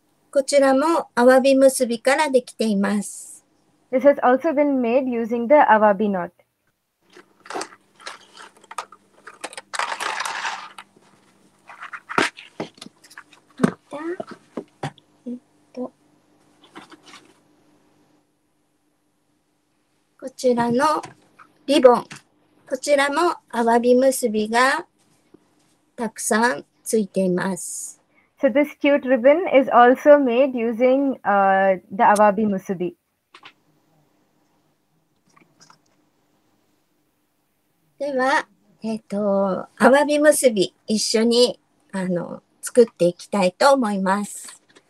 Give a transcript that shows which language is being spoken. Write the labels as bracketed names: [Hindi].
[Japanese] こちらもアワビ結びからできています。 [English] This has also been made using the アワビ knot. [Japanese] こちらのリボン、こちらもアワビ結びがたくさんついています。 [English] So this cute ribbon is also made using the アワビ結び。 [Japanese] では、アワビ結び一緒に作っていきたいと思います。